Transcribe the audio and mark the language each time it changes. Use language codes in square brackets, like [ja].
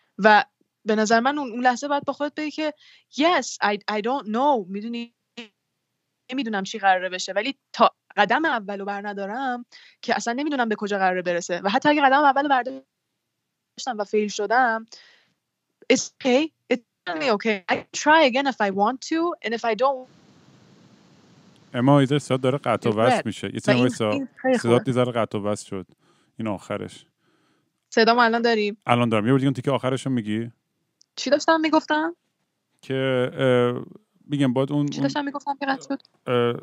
[fa] و به نظر من اون لحظه باید با خودت بگی که [en] yes I don't know، [fa] میدونی نمیدونم چی قراره بشه، ولی تا قدم اولو بر ندارم که اصلا نمیدونم به کجا قراره برسه. و حتی اگه قدم اولو برداشتم و فیل شدم، [en] it's okay. Okay, I try again if I want to, and if I don't. [fa] اما ایده صدا داره قطع و وصل میشه. صدا دیزاره قطع و وصل شد. این آخرش. صدا ما الان داریم. الان دارم. یه بار دیگه اون تیکه آخرش رو میگی. چی داشتم میگفتم؟ که میگم باید اون. چی داشتم میگفتم که قطع شد؟